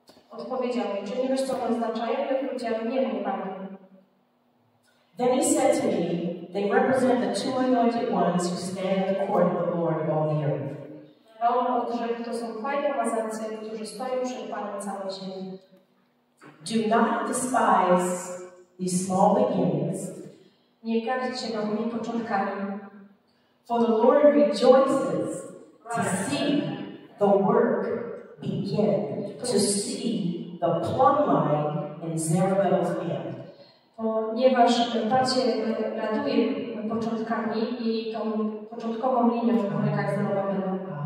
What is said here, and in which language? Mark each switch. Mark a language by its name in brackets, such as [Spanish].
[Polish] Odpowiedział mi, czy nie wiesz, co oznaczają? Ja powiedziałem, nie wiem, Panie. [English] Then he said to me, they represent the two anointed ones who stand in the court of the Lord of all the earth. [Polish] A on odrzekł, to są fajne mazance, którzy stoją przed Panem całej ziemi. [English] Do not despise these small beginnings. [Polish] Nie gardzić się małymi początkami. [English] For the Lord rejoices to see the work begin, to see the plumb line in Zerubbabel's hand. [Polish] Ponieważ Pan się raduje początkami i tą początkową linią w rękach Zerubbabela.